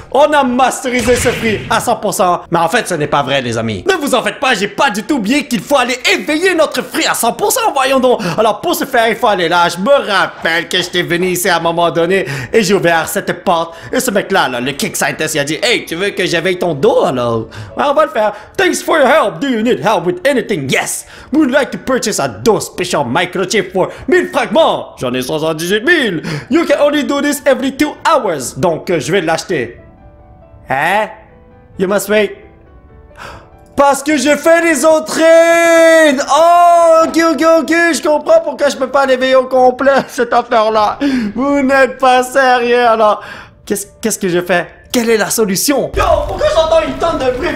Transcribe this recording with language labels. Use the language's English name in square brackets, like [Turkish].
[French] On a masterisé ce prix à 100%. Mais en fait, ce n'est pas vrai, les amis. Ne vous en faites pas, j'ai pas du tout oublié qu'il faut aller éveiller notre prix à 100%, voyons donc. Alors, pour ce faire, il faut aller là. Je me rappelle que j'étais venu ici à un moment donné et j'ai ouvert cette porte. Et ce mec-là, là, le Kick Scientist, il a dit, « Hey, tu veux que j'éveille ton dos, alors? » On va le faire. [English] « Thanks for your help. Do you need help with anything? Yes. Would like to purchase a dough special microchip for 1000 fragments. » [French] J'en ai 78 000. [English] You can only do this every 2 hours. [French] Donc, je vais l'acheter. Hein? [English] You must wait. [French] Parce que je fais les entrées! Oh, ok, je comprends pourquoi je peux pas l'éveiller au complet, cette affaire-là. Vous n'êtes pas sérieux, alors. Qu'est-ce que je fais? Quelle est la solution? Yo, pourquoi j'entends une tonne de bruit?